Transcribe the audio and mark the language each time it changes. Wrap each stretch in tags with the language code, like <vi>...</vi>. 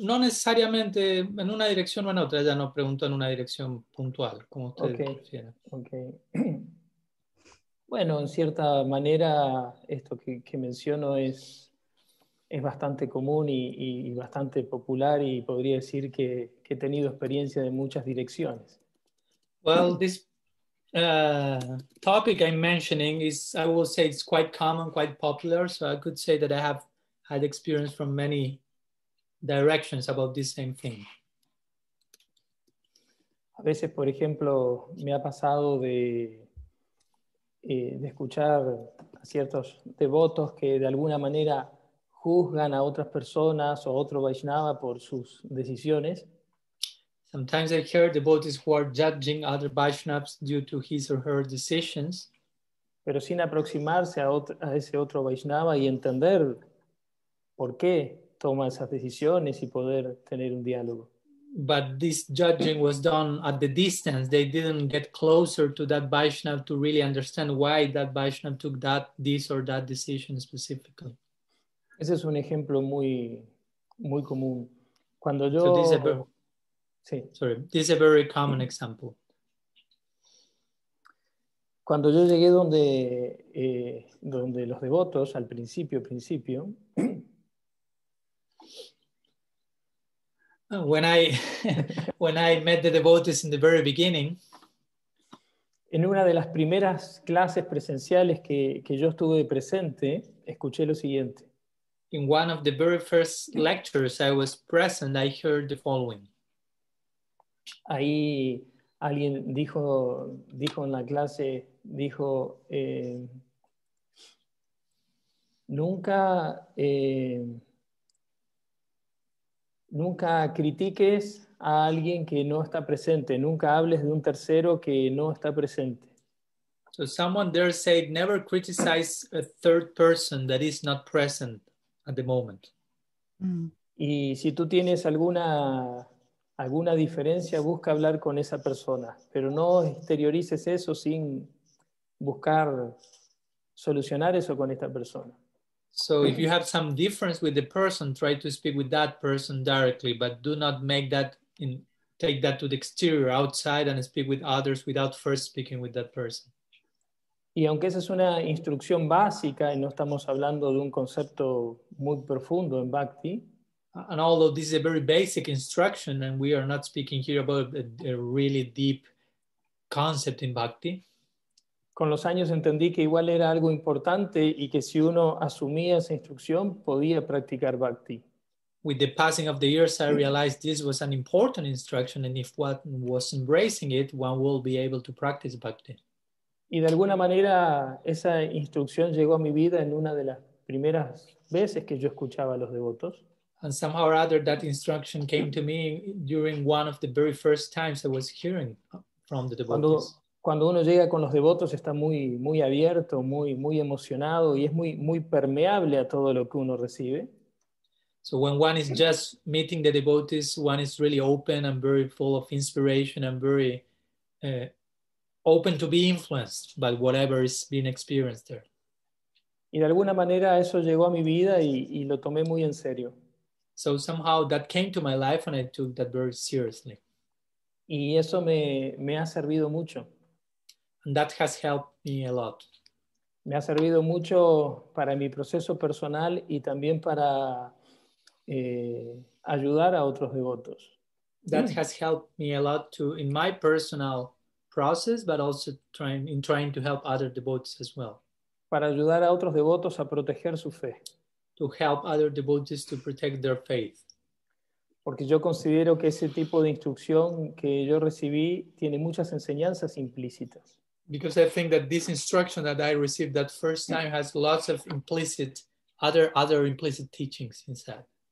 <es>No necesariamente en una dirección o en otra, ya no pregunto en una dirección puntual, como usted quiera.</es> <en>Okay.</en> <es>Bueno, en cierta manera, esto que menciono es bastante común y bastante popular y podría decir que he tenido experiencia de muchas direcciones.</es> <en>Well, this topic I'm mentioning is, I will say, it's quite common, quite popular, so I could say that I have had experience from many directions about this same thing.</en> <es>A veces, por ejemplo, me ha pasado de escuchar a ciertos devotos que de alguna manera juzgan a otras personas o a otro Vaishnava por sus decisiones.</es> <en>Sometimes I hear devotees who are judging other Vaishnavas due to his or her decisions.</en> <es>Pero sin aproximarse a ese otro Vaishnava y entender por qué toma esas decisiones y poder tener un diálogo.</es> <en>But this judging was done at the distance. They didn't get closer to that Vaishnava to really understand why that Vaishnava took that, this or that decision specifically.</en> <es>Ese es un ejemplo muy, muy común. Cuando yo...</es> <en>Sorry, this is a very common example.</en> <es>Cuando yo llegué donde los devotos al principio.</es> <en>When I met the devotees in the very beginning.</en> <es>En una de las primeras clases presenciales que yo estuve presente, escuché lo siguiente.</es> <en>In one of the very first lectures I was present, I heard the following.</en> <es>Ahí alguien dijo en la clase, dijo, nunca critiques a alguien que no está presente, nunca hables de un tercero que no está presente.</es> <en>So someone there said, never criticize a third person that is not present at the moment.</en> <es>Y si tú tienes alguna diferencia, busca hablar con esa persona, pero no exteriorices eso sin buscar solucionar eso con esta persona.</es> <en>So if you have some difference with the person, try to speak with that person directly, but do not make that in take that to the exterior outside and speak with others without first speaking with that person.</en> <es>Y aunque esa es una instrucción básica y no estamos hablando de un concepto muy profundo en Bhakti,</es> <en>and although this is a very basic instruction and we are not speaking here about a really deep concept in Bhakti,</en> <es>con los años entendí que igual era algo importante y que si uno asumía esa instrucción podía practicar Bhakti.</es> <en>With the passing of the years, I realized this was an important instruction, and if one was embracing it, one will be able to practice Bhakti.</en> <es>Y de alguna manera esa instrucción llegó a mi vida en una de las primeras veces que yo escuchaba a los devotos.</es> <en>And somehow or other, that instruction came to me during one of the very first times I was hearing from the devotees.</en> <es>Cuando uno llega con los devotos, está muy abierto, muy emocionado y es muy permeable a todo lo que uno recibe.</es> <en>So when one is just meeting the devotees, one is really open and very full of inspiration and very open to be influenced by whatever is being experienced there.</en> <es>Y de alguna manera eso llegó a mi vida y lo tomé muy en serio.</es> <en>So somehow that came to my life and I took that very seriously.</en> <es>Y eso me ha servido mucho.</es> <en>And that has helped me a lot.</en> <es>Me ha servido mucho para mi proceso personal y también para ayudar a otros devotos.</es> <en>That has helped me a lot too in my personal process, but also trying to help other devotees as well.</en> <es>Para ayudar a otros devotos a proteger su fe.</es> <en>To help other devotees to protect their faith.</en> <es>Porque yo considero que ese tipo de instrucción que yo recibí tiene muchas enseñanzas implícitas.</es> <en>Because I think that this instruction that I received that first time has lots of implicit, other implicit teachings inside.</en>